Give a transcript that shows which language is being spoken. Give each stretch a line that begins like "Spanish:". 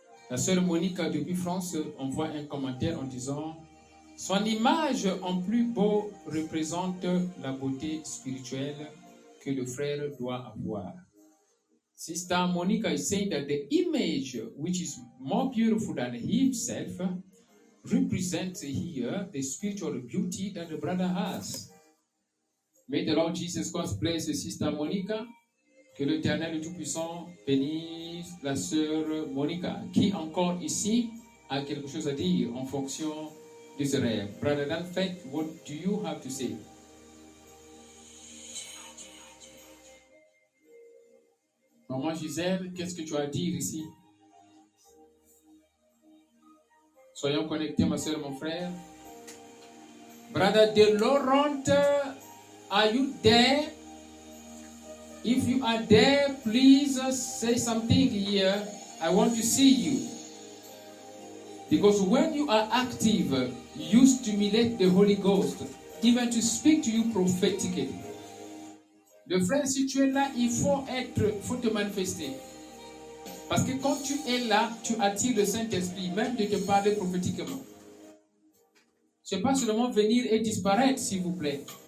French: La sœur Monica depuis France envoie un commentaire en disant, son image en plus beau représente la beauté spirituelle que le frère doit avoir.
English: Sister Monica is saying that the image which is more beautiful than himself represents here the spiritual beauty that the brother has. May the Lord Jesus Christ bless Sister Monica.
French: Que l'Éternel Tout-Puissant bénisse la sœur Monica. Qui encore ici a quelque chose à dire en fonction de ce rêve?
English: Brother Dan, what do you have to say?
French: Maman Gisèle, qu'est-ce que tu as à dire ici? Soyons connectés, ma sœur, mon frère.
English: Brother De Laurent, are you there? If you are there, please say something here. I want to see you. Because when you are active, you stimulate the Holy Ghost, even to speak to you prophetically.
French: Le frère, si tu es là, il faut être, faut te manifester. Parce que quand tu es là, tu attires le Saint-Esprit, même de te parler prophétiquement. Ce n'est pas seulement venir et disparaître, s'il vous plaît.